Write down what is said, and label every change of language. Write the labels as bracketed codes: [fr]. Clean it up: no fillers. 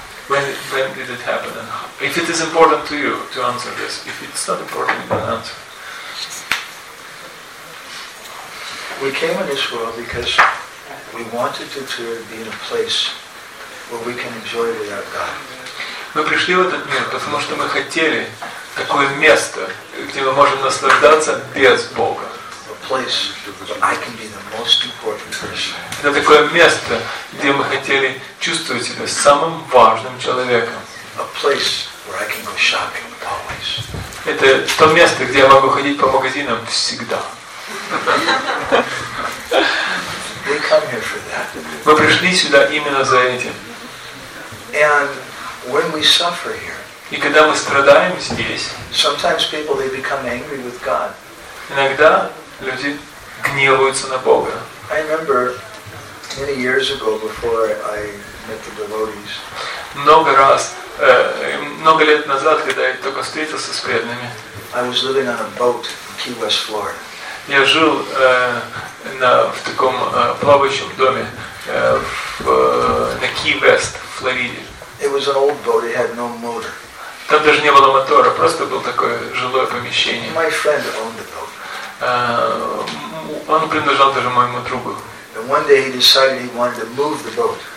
[en] When did it happen? And if it is important to you to answer this, if it's not important, you don't answer. We came in this world because we wanted to be in a place where we can enjoy without God. [ru] Мы пришли в этот мир, потому что мы хотели такое место, где мы можем наслаждаться без Бога. [en] A place where I can be the most important person. [ru] Это такое место, где мы хотели чувствовать себя самым важным человеком. [en] A place where I can go shopping always. [ru] Это то место, где я могу ходить по магазинам всегда. [en] We come here for that. [ru] Мы пришли сюда именно за этим. [en] And when we suffer here. [ru] И когда мы страдаем здесь. [en] Sometimes people they become angry with God. [ru] Иногда люди гневаются на Бога. [en] I remember many years ago, before I met the devotees. [ru] Много лет назад, когда я только встретился с преданными. [en] I was living on a boat in Key West, Florida. [ru] Я жил в таком плавающем доме на Key West, Флориде. [en] It was an old boat. It had no motor. [ru] Там даже не было мотора, просто было такое жилое помещение. [en] My friend owned the boat. [ru] Он принадлежал даже моему другу. [en] And one day he decided he wanted to move the boat.